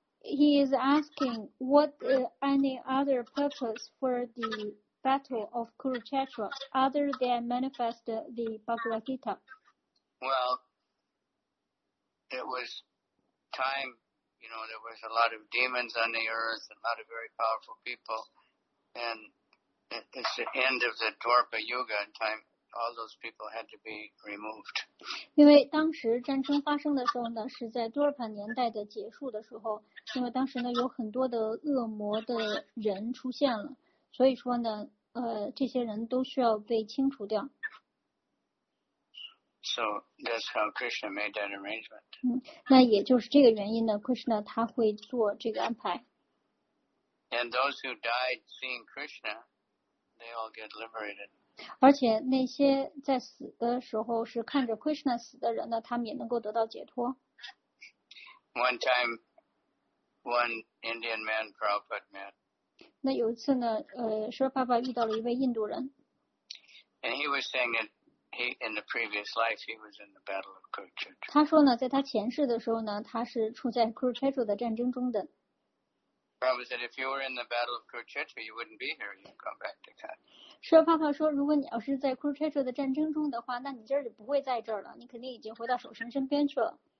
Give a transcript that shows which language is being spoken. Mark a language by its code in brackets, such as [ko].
[en] He is asking what any other purpose for the battle of Kurukshetra other than manifest the Bhagavad Gita. Well, it was time. You know, there was a lot of demons on the earth, a lot of very powerful people, and it's the end of the Dwarpa Yuga in time. All those people had to be removed. [zh] 因为当时战争发生的时候呢，是在多尔帕年代的结束的时候，因为当时呢有很多的恶魔的人出现了，所以说呢，这些人都需要被清除掉。 [en] So that's how Krishna made that arrangement. [zh] 那也就是这个原因呢 ，Krishna 他会做这个安排。 [en] And those who died seeing Krishna, they all get liberated. [zh] 而且那些在死的时候是看着 Krishna 死的人呢，他们也能够得到解脱。 [en] One time, one Indian man, Prabhupada met. [zh] 那有一次呢，舍爸爸遇到了一位印度人。 [en] And he was saying that. He, in the previous life, he was in the battle of Kurukshetra. [zh] 他说呢，在他前世的时候呢，他是处在 Kurukshetra 的战争中的。 [en] Prabhupada said, if you were in the battle of Kurukshetra, you wouldn't be here. You'd come back to that. [zh] 舍帕帕说，如果你要是在 Kurukshetra 的战争中的话，那你这儿就不会在这儿了，你肯定已经回到守神身边去了。